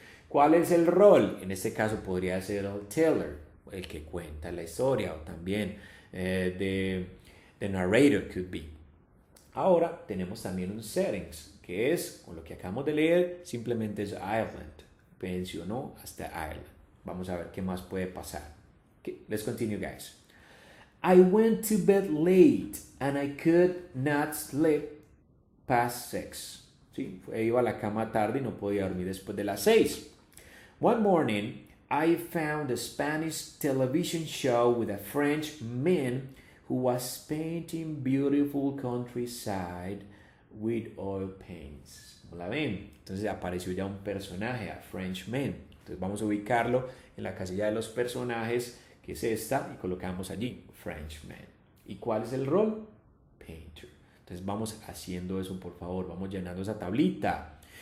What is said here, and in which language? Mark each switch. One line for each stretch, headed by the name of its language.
Spanish: ¿Cuál es el rol? En este caso podría ser el teller, el que cuenta la historia, o también
English: the narrator could be.
Spanish: Ahora tenemos también un settings, que es, con lo que acabamos de leer, simplemente es Ireland, mencionó hasta Ireland. Vamos a ver qué más puede pasar.
English: Okay, let's continue, guys. I went to bed late and I could not sleep past six.
Spanish: Sí, iba a la cama tarde y no podía dormir después de las 6.
English: One morning, I found a Spanish television show with a French man who was painting beautiful countryside with oil paints.
Spanish: ¿Cómo la ven? Entonces apareció ya un personaje, a French man. Entonces vamos a ubicarlo en la casilla de los personajes, que es esta, y colocamos allí French man. ¿Y cuál es el rol? Painter. Entonces vamos haciendo eso, por favor, vamos llenando esa tablita.